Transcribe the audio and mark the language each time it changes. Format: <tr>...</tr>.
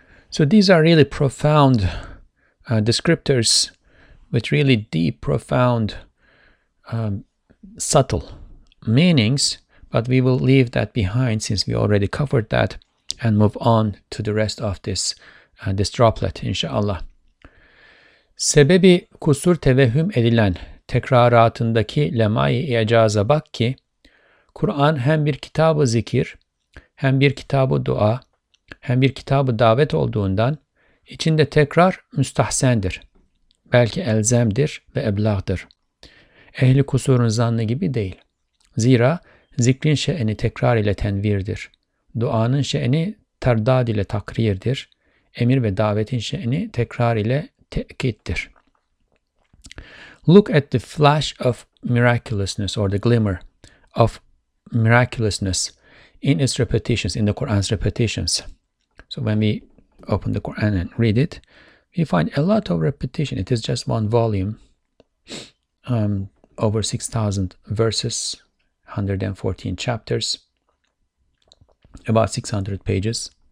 <en>So these are really profound descriptors with really deep, profound, subtle meanings, but we will leave that behind since we already covered that and move on to the rest of this this droplet, inshallah.</en> <tr>Sebebi kusur tevehüm edilen tekraratındaki lemai icaza bak ki Kur'an hem bir kitabı zikir, hem bir kitabı dua, hem bir kitabı davet olduğundan içinde tekrar müstahsendir. Belki elzemdir ve eblağdır. Ehli kusurun zannı gibi değil. Zira zikrin şe'eni tekrar ile tenvirdir. Duanın şe'eni terdad ile takrirdir. Emir ve davetin şe'eni tekrar ile te'kiddir.</tr> <en>Look at the flash of miraculousness or the glimmer of miraculousness in its repetitions, in the Quran's repetitions. So when we open the Quran and read it, we find a lot of repetition. It is just one volume, over 6,000 verses, 114 chapters, about 600 pages.</en>